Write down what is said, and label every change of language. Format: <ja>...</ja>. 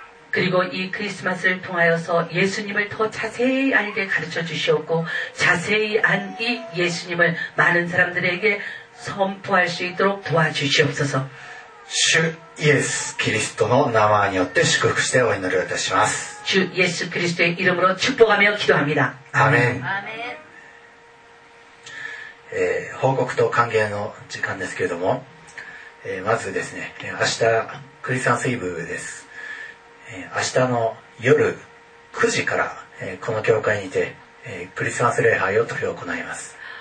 <ko>그리고이크리스마스를통하여서예수님을더자세히알게가르쳐주시옵고자세히안이예수님을많은사람들에게선포할수있도록도와주시옵소서 주예수그리스도의이름</ko> <ja>によって祝福してお祈りいたします。</ja> <ko>주예수그리스도의이름으로축복하며기도합니다。 아멘。</ko> <ja>報告と歓迎の時間ですけれども、まずですね、明日クリスマスイブです。明日の夜9時から、この教会にて、クリスマス礼拝を執り行います。</ja>